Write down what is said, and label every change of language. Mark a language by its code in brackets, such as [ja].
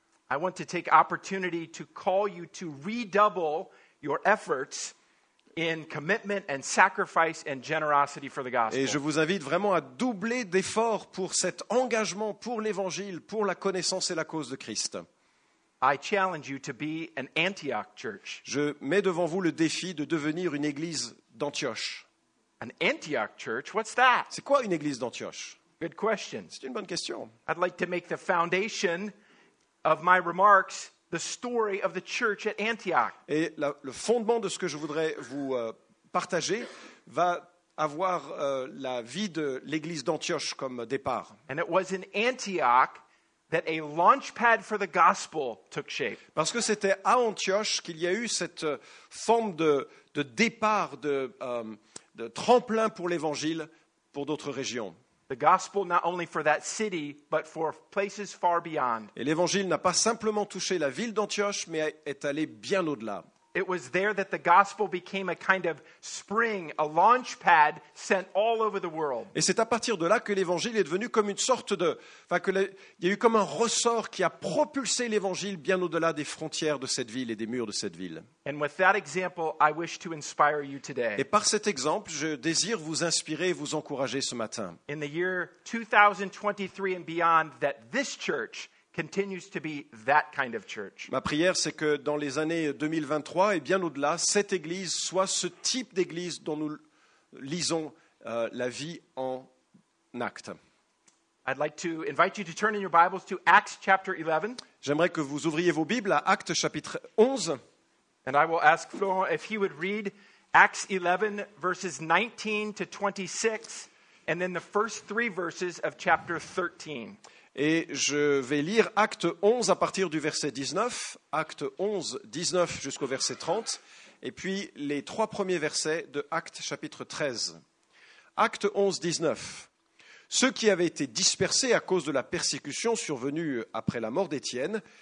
[en] I want to take opportunity to call you to redouble your efforts in commitment and sacrifice and generosity for the gospel. [fr] Et je vous invite vraiment à doubler d'efforts pour cet engagement pour l'évangile, pour la connaissance et la cause de Christ. [en] I challenge you to be an Antioch church. [fr] Je mets devant vous le défi de devenir une église d'Antioche. [en] An Antioch church, what's that? [fr] C'est quoi une église d'Antioche? [en] Good question. [fr] C'est une bonne question. [en] I'd like to make the foundation of my remarks the story of the church at Antioch. [fr] Et le fondement de ce que je voudrais vous partager va avoir la vie de l'église d'Antioche comme départ. [en] And it was in Antioch that a launch pad for the gospel took shape. [fr] Parce que c'était à Antioche qu'il y a eu cette forme de départ, de tremplin pour l'évangile pour d'autres régions. [en] The gospel not only for that city, but for places far beyond. [fr] Et l'évangile n'a pas simplement touché la ville d'Antioche, mais est allé bien au-delà. [en] It was there that the gospel became a kind of spring, a launch pad sent all over the world. [fr] Et c'est à partir de là que l'évangile est devenu comme une sorte de... Enfin, il y a eu comme un ressort qui a propulsé l'évangile bien au-delà des frontières de cette ville et des murs de cette ville. [en] And with that example, I wish to inspire you today. [fr] Et par cet exemple, je désire vous inspirer et vous encourager ce matin. [en] In the year 2023 and beyond, that this church continues to be that kind of church. [fr] Ma prière, c'est que dans les années 2023 et bien au-delà, cette église soit ce type d'église dont nous lisons la vie en acte. [en] I'd like to invite you to turn in your Bibles to Acts chapter 11. [fr] J'aimerais que vous ouvriez vos Bibles à Actes chapitre 11. [en] And I will ask Florent if he would read Acts 11 verses 19 to 26 and then the first three verses of chapter 13. [fr] Et je vais lire Acte 11 à partir du verset 19, Acte 11, 19 jusqu'au verset 30, et puis les trois premiers versets de Acte chapitre 13. Acte 11, 19. Ceux qui avaient été dispersés à cause de la persécution survenue après la mort d'Étienne